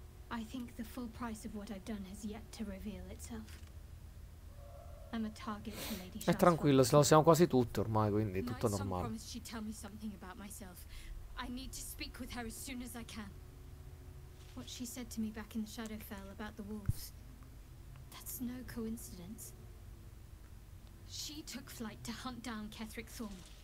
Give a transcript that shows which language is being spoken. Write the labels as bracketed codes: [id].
[en] I think the full price of what I've done has yet to reveal itself. I'm a target for Lady Shah. [it] È tranquillo, se lo siamo quasi tutti ormai, quindi è tutto normale. [en] My son promised she'd tell me something about myself. I need to speak with her as soon as I can. What she said to me back in the Shadowfell about the wolves. That's no coincidence. She took flight to hunt down Kethric Thorne.